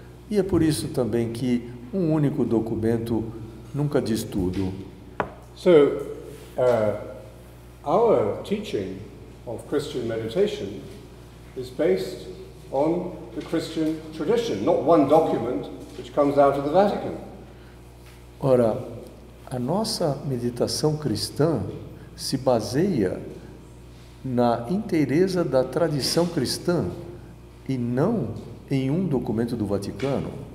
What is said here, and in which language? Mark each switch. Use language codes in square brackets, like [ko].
[pt] E é por isso também que um único documento nunca diz tudo. [en] So, our teaching of Christian meditation is based on the Christian tradition, not one document which comes out of the Vatican. [pt] Ora, a nossa meditação cristã se baseia na inteireza da tradição cristã e não em um documento do Vaticano.